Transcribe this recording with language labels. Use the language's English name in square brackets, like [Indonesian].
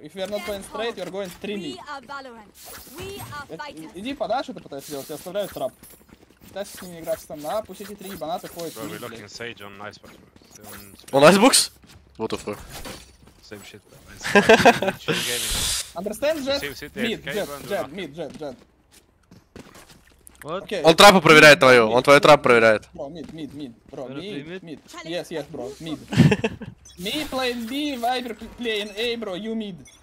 [English] If you are not going straight, you are going 3 mid. [Russian] Иди подальше, что ты пытаешься делать, я оставляю трап. Пытайся с ними играть там на, пусть эти три ебанаты ходят. [English] We're looking sage on icebox. On icebox? What the fuck? Same shit. Understand, Jet? Mid, Jet. What? [Russian] Okay. Он трапы проверяет твою, он твою трап проверяет. [English] Bro, mid, bro, mid. Yes, bro, mid. Me playing B, Viper playing A, bro, you mid.